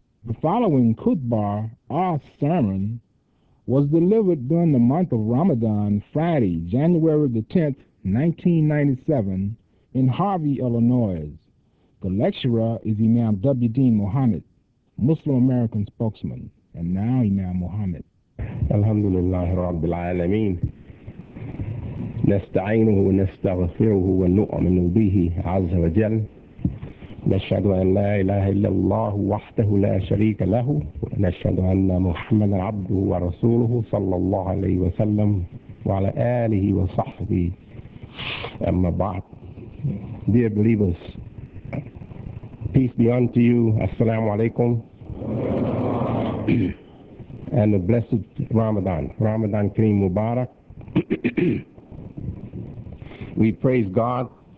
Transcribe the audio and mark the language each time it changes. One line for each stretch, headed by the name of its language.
English: The following khutbah, or sermon, was delivered during the month of Ramadan, Friday, January the 10th, 1997, in Harvey, Illinois. The lecturer is Imam W. Dean Muhammad, Muslim American spokesman, and now Imam Muhammad.
Arabic: الحمد لله رب العالمين، نستعينه ونستغفره ونؤمن به عز وجل، نشهد أن لا إله إلا الله وحده لا شريك له، ونشهد أن محمدا عبده ورسوله صلى الله عليه وسلم وعلى آله وصحبه. أما بعد،
English: dear believers, peace be unto you.
Arabic: السلام عليكم.
English: And a blessed Ramadan, Ramadan Kareem Mubarak. We praise God.